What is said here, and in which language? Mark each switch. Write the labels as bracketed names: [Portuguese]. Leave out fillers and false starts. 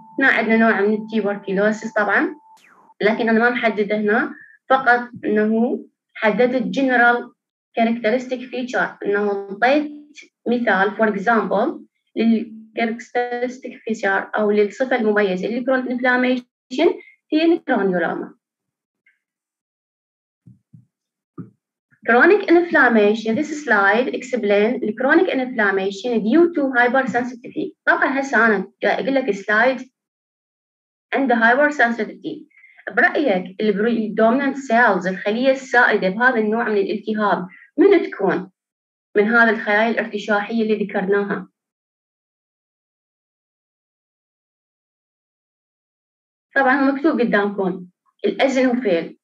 [Arabic] هنا عندنا نوع من التيبركيلوسيس طبعا لكن انا ما محدد هنا فقط انه حددت general characteristic feature انه اعطيت مثال for example للكاركترستيك فيتشر او للصفة المميزة اللي كرونيك انفلاميشن هي الجرانيولوما. [English] Chronic inflammation, this slide explains the chronic inflammation due to hypersensitivity. [Arabic] طبعا هسه انا اقول لك سلايد عند hypersensitivity. برايك الdominant cells الخليه السائده بهذا النوع من الالتهاب من تكون من هذا الخلايا الارتشاحيه اللي ذكرناها؟ طبعا مكتوب قدامكم الازينوفيل.